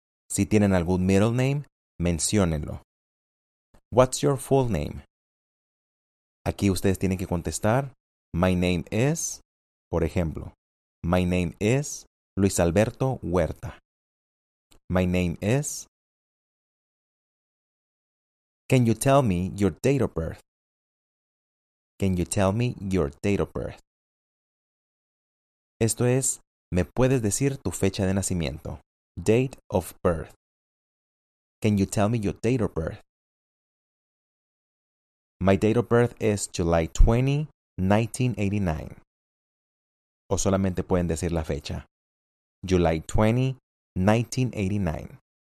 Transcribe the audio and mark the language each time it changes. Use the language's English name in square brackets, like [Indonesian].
[Spanish] Si tienen algún middle name, menciónenlo. [English] What's your full name? [Spanish] Aquí ustedes tienen que contestar, [English] my name is, [Spanish] por ejemplo, my name is Luis Alberto Huerta. [English] My name is. Can you tell me your date of birth? Can you tell me your date of birth? [Spanish] Esto es, ¿me puedes decir tu fecha de nacimiento? [English] Date of birth. Can you tell me your date of birth? My date of birth is July 20, 1989. [Spanish] O solamente pueden decir la fecha. [English] July 20, 1989.